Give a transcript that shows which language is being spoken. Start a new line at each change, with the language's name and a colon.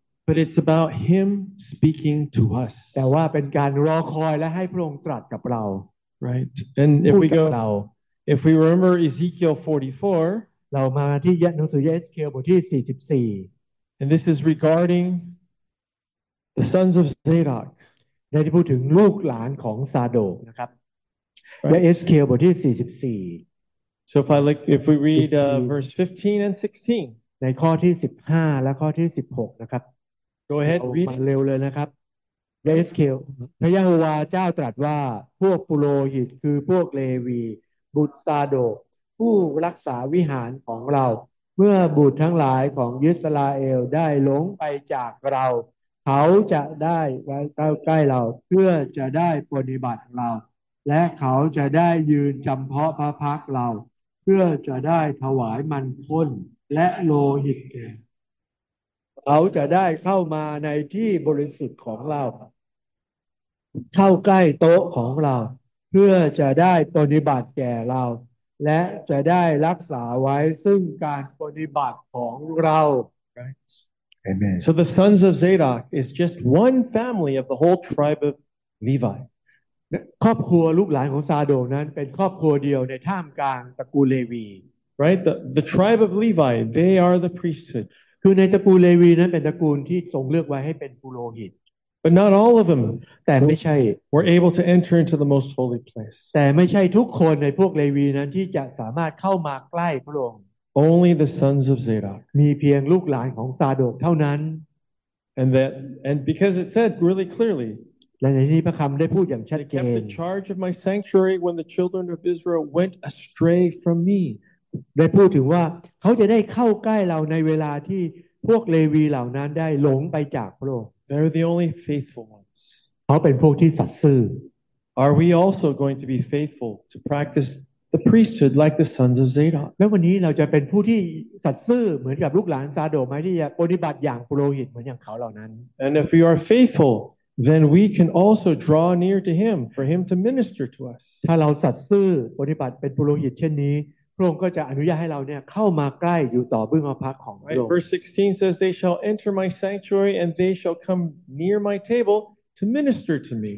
English: But it's about him speaking to us.
Thai: แต่ว่าเป็นการรอคอยและให้พระองค์ตรัสกับเรา
English: Right. And if we go if we remember Ezekiel 44,
Thai: เรามาที่ยะหนังสือเอสเคียลบทที่44
English: And this is regarding the sons of Zadok.
Thai: ได้พูดถึงลูกหลานของซาโดกนะครับ
English: Right.
Thai: เอสเคียลบทที่44
English: So if I look if we read verse 15 and 16.
Thai: ในข้อที่15และข้อที่16นะครับ
English: Go ahead, read.
Thai: มาเร็วเลยนะครับ Ezekiel พระยะโฮวาห์เจ้าตรัสว่าพวกปุโรหิตคือพวกเลวีบุตรซาโดกผู้รักษาวิหารของเราเมื่อบุตรทั้งหลายของอิสราเอลได้หลงไปจากเราเขาจะได้ใกล้เราเพื่อจะได้ปฏิบัติเราและเขาจะได้ยืนจำเพาะพระพักเราเพื่อจะได้ถวายมันข้นและโลหิตแก่ เขาจะได้เข้ามาในที่บริสุทธิ์ของเราเข้าใกล้โต๊ะของเราเพื่อจะได้ปฏิบัติแก่เราและจะได้รักษาไว้ซึ่งการปฏิบัติของเรา
English: Amen. So the sons of Zadok is just one family of the whole tribe of Levi.
Thai: ครอบครัวลูกหลานของซาโดกนั้นเป็นครอบครัวเดียวในท่ามกลางตระกูลเลวี
English: Right? The tribe of Levi, they are the priesthood.
Thai: คือในตระกูลเลวีนั้นเป็นตระกูลที่ทรงเลือกไว้ให้เป็นปุโรหิต
English: But not all of them
Thai: แต่ไม่ใช่
English: were able to enter into the most holy place
Thai: แต่ไม่ใช่ทุกคนในพวกเลวีนั้นที่จะสามารถเข้ามาใกล้พระองค์
English: Only the sons of Zadok
Thai: มีเพียงลูกหลานของซาโดกเท่านั้น
English: and because it said really clearly
Thai: และในนี้พระคำได้พูดอย่างชัดเจน
English: kept the charge of my sanctuary when the children of Israel went astray from me
Thai: ได้พูดถึงว่าเขาจะได้เข้าใกล้เราในเวลาที่พวกเลวีเหล่านั้นได้หลงไปจากพระองค์
English: They're the only faithful ones
Thai: เขาเป็นพวกที่สัตย์ซื่อ
English: Are we also going to be faithful to practice the priesthood like the sons of Zadok
Thai: แล้ววันนี้เราจะเป็นผู้ที่สัตย์ซื่อเหมือนกับลูกหลานซาโดกไหมที่จะปฏิบัติอย่างปุโรหิตเหมือนอย่างเขาเหล่านั้น
English: And if we are faithfulThen we can also draw near to him for him to minister to us
Thai: ถ้าเราสัตย์ซื่อปฏิบัติเป็นปุโรหิตเช่นนี้พระองค์ก็จะอนุญาตให้เราเนี่ยเข้ามาใกล้อยู่ต่อเบื้องพระพักของพระองค์
English: Verse 16 says they shall enter my sanctuary and they shall come near my table to minister to me